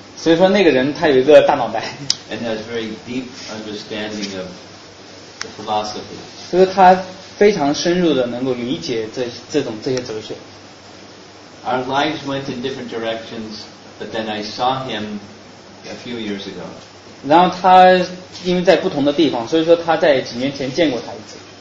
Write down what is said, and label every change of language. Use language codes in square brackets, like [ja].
[zh] 所以说那个人他有一个大脑袋。 [en] And has very deep understanding of the philosophy. [zh] 所以他非常深入的能够理解这些哲学。 [en] Our lives went in different directions, but then I saw him a few years ago. [zh] 然后他因为在不同的地方，所以说他在几年前见过他一次。